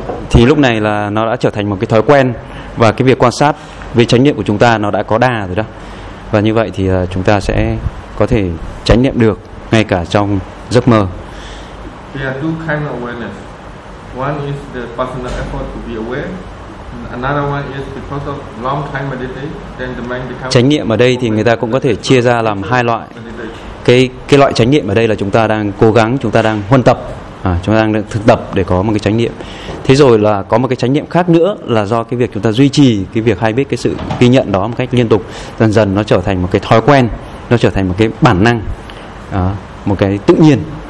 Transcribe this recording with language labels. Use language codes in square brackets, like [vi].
[vi] Thì lúc này là nó đã trở thành một cái thói quen và cái việc quan sát về chánh niệm của chúng ta nó đã có đà rồi đó. Và như vậy thì chúng ta sẽ có thể chánh niệm được ngay cả trong giấc mơ. [en] There are two kinds of awareness. One is the personal effort to be aware. Another one is because of long time meditation, then the mind becomes. [vi] Chánh niệm ở đây thì người ta cũng có thể chia ra làm hai loại. Cái loại chánh niệm ở đây là chúng ta đang cố gắng, chúng ta đang huân tập, chúng ta đang thực tập để có một cái chánh niệm. Thế rồi là có một cái chánh niệm khác nữa là do cái việc chúng ta duy trì cái việc hay biết cái sự ghi nhận đó một cách liên tục, dần dần nó trở thành một cái thói quen, nó trở thành một cái bản năng, một cái tự nhiên.